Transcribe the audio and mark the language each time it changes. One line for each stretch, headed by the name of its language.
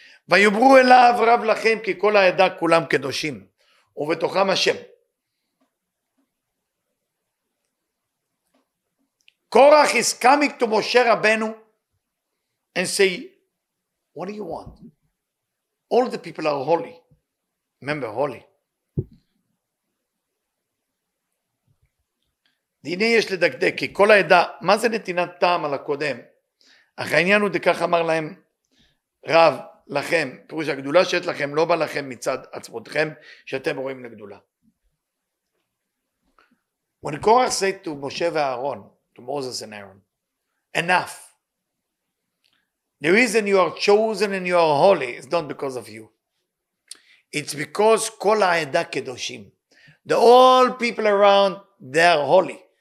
Hebrew: ויאמרו אליו רב לכם כי כל העדה כולם קדושים ובתוכם השם.
English: Korach is coming to Moshe Rabbeinu and say, what do you want? All the people are holy. Remember, holy.
Hebrew: הנה יש לדקדק, כי כל העדה, מה זה נתינת טעם על הקודם? אך העניין הוא דכך אמר להם, רב, לכם, פירוש הגדולה שיש לכם, לא בא לכם מצד עצמותכם, שאתם רואים לגדולה.
English: When Korach said to Moshe ואהרון, to Moses and Aaron, enough. The reason you are chosen and you are holy is not because of you. It's because
Hebrew: kol ha'edah kedoshim.
English: The all people around, they are holy.